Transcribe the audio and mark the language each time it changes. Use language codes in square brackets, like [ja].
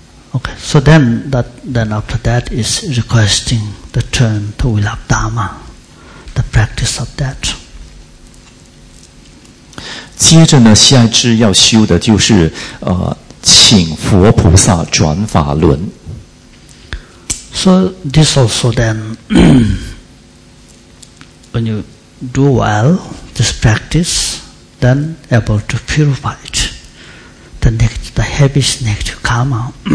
[en] Okay, so then after that is requesting the turn to Vilakdhamma, the practice of that. [zh] 接着呢，下一支要修的就是请佛菩萨转法轮。 [en] So this also then, when you do well this practice, then able to purify it, the heaviest negative karma.